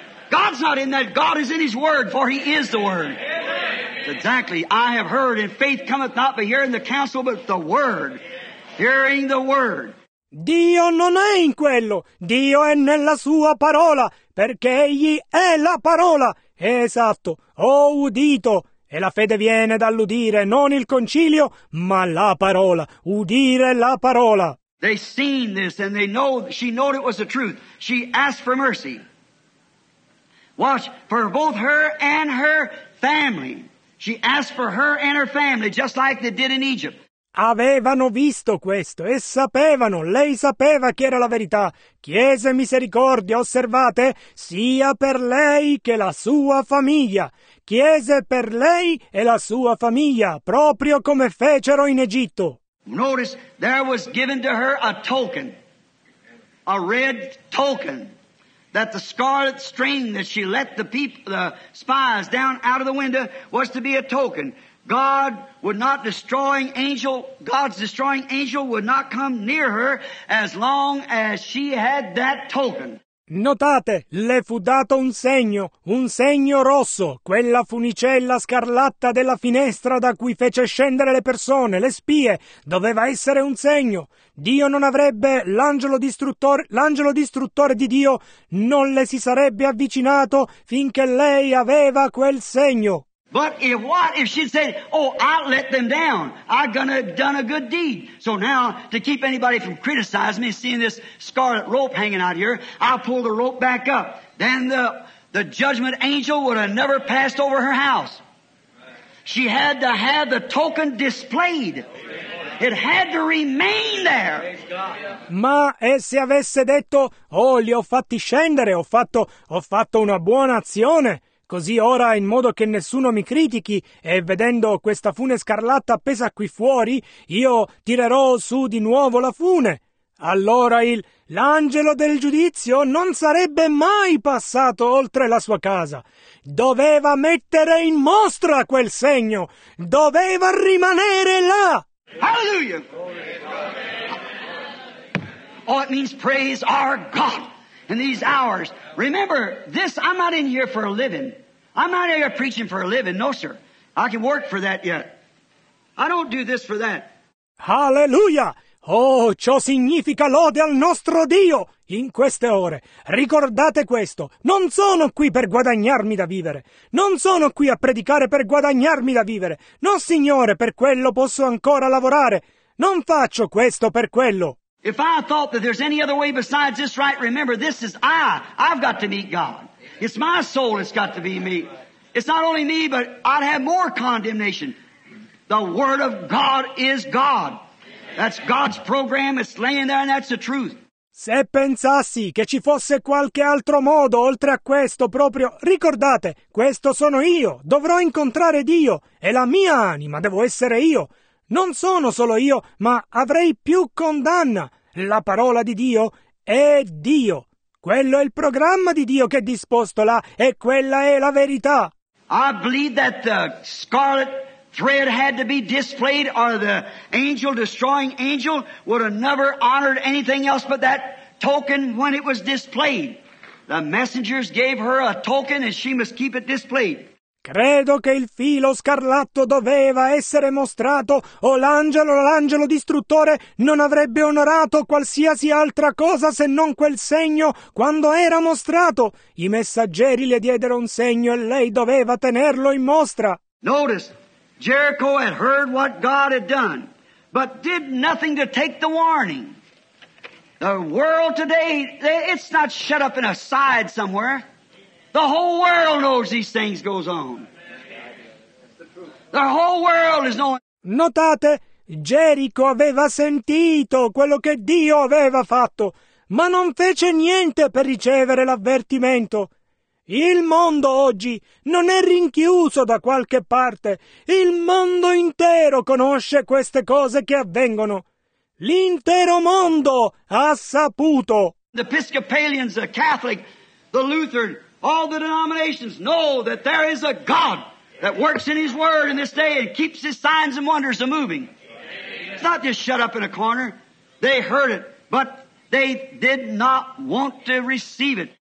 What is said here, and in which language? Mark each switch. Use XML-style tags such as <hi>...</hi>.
<en>God's not in that. God is in his word, for he is the word. Exactly. I have heard, and faith cometh not by hearing the counsel, but the word. Hearing the word.</en> <it>Dio non è in quello. Dio è nella sua parola, perché egli è la parola. Esatto, ho udito, e la fede viene dall'udire, non il concilio, ma la parola, udire la parola.</it> <en>They seen this and they know, she knew it was the truth. She asked for mercy. Watch, for both her and her family. She asked for her and her family, just like they did in Egypt.</en> <it>Avevano visto questo e sapevano, lei sapeva che era la verità. Chiese misericordia, osservate, sia per lei che la sua famiglia. Chiese per lei e la sua famiglia, proprio come fecero in Egitto.</it> <en>Notice, there was given to her a token, a red token, that the scarlet string that she let the spies down out of the window was to be a token. God would not destroying angel, God's destroying angel would not come near her as long as she had that token.</en> <it>Notate, le fu dato un segno rosso, quella funicella scarlatta della finestra da cui fece scendere le persone, le spie, doveva essere un segno. Dio non avrebbe, l'angelo distruttore di Dio non le si sarebbe avvicinato finché lei aveva quel segno.</it> <en>But if what if she said, oh, I let them down. I done a good deed. So now, to keep anybody from criticizing me, seeing this scarlet rope hanging out here, I'll pull the rope back up. Then the judgment angel would have never passed over her house. She had to have the token displayed. It had to remain there.</en> <it>Ma se avesse detto, oh, li ho fatti scendere, ho fatto una buona azione. Così ora, in modo che nessuno mi critichi, e vedendo questa fune scarlatta appesa qui fuori, io tirerò su di nuovo la fune. Allora l'angelo del giudizio non sarebbe mai passato oltre la sua casa. Doveva mettere in mostra quel segno. Doveva rimanere là.</it> <en>Hallelujah! Oh, it means praise our God in these hours. Remember, this, I'm not in here for a living. I'm not here preaching for a living, no sir. I can work for that yet. I don't do this for that. Hallelujah!</en> <it>Oh, ciò significa lode al nostro Dio in queste ore. Ricordate questo. Non sono qui per guadagnarmi da vivere. Non sono qui a predicare per guadagnarmi da vivere. No, signore, per quello posso ancora lavorare. Non faccio questo per quello.</it> <en>If I thought that there's any other way besides this right, remember, this is I've got to meet God. It's my soul, it's got to be me. It's not only me, but I'd have more condemnation. The Word of God is God. That's God's program, it's laying there, and that's the truth.</en> <it>Se pensassi che ci fosse qualche altro modo oltre a questo proprio, ricordate, questo sono io, dovrò incontrare Dio, e la mia anima, devo essere io. Non sono solo io, ma avrei più condanna. La parola di Dio è Dio. Quello è il programma di Dio che è disposto là, e quella è la verità.</it> <en>I believe that the scarlet thread had to be displayed, or the angel, destroying angel, would have never honored anything else but that token when it was displayed. The messengers gave her a token, and she must keep it displayed.</en> <it>Credo che il filo scarlatto doveva essere mostrato, o l'angelo distruttore non avrebbe onorato qualsiasi altra cosa se non quel segno quando era mostrato. I messaggeri le diedero un segno e lei doveva tenerlo in mostra.</it> <en>Notice, Jericho had heard what God had done, but did nothing to take the warning. The world today, it's not shut up in a side somewhere. The whole world knows these things goes on. The whole world is knowing.</en> <it>Notate, Gerico aveva sentito quello che Dio aveva fatto, ma non fece niente per ricevere l'avvertimento. Il mondo oggi non è rinchiuso da qualche parte. Il mondo intero conosce queste cose che avvengono. L'intero mondo ha saputo.</it> <en>The Episcopalians, the Catholic, the Lutheran, all the denominations know that there is a God that works in His Word in this day and keeps His signs and wonders a moving. It's not just shut up in a corner. They heard it, but they did not want to receive it.</en>